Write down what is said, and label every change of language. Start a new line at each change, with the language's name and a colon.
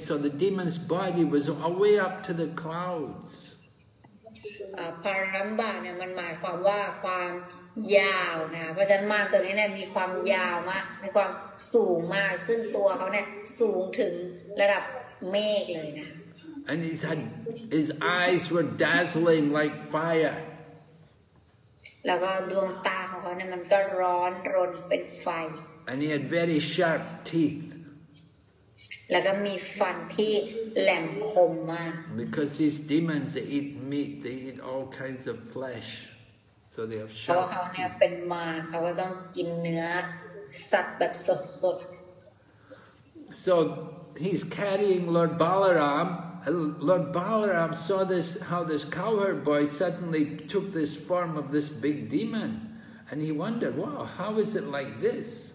English: So the demon's body was way up to the clouds.
Thai: Pralamba, เนี่ยมันหมายความว่าความยาวนะเพราะฉะนั้นมารตัวนี้เนี่ยมีความยาวมากมีความสูงมากซึ่งตัวเขาเนี่ยสูงถึงระดับเมฆเลยนะ
English: And his eyes were dazzling like fire.
Thai: แล้วก็ดวงตาของเขาเนี่ยมันก็ร้อนรนเป็นไฟ
English: And he had very sharp teeth
Thai: แล้วก็มีฟันที่แหลมคมมาก
English: Because these demons they eat meat they eat all kinds of flesh so they have sharp teeth
Thai: เขาเนี่ยเป็นมารเขาก็ต้องกินเนื้อสัตว์แบบสด
English: ๆ So he's carrying Lord BalaramLord Balaram saw this, how this cowherd boy suddenly took this form of this big demon. And he wondered, wow, how is it like this?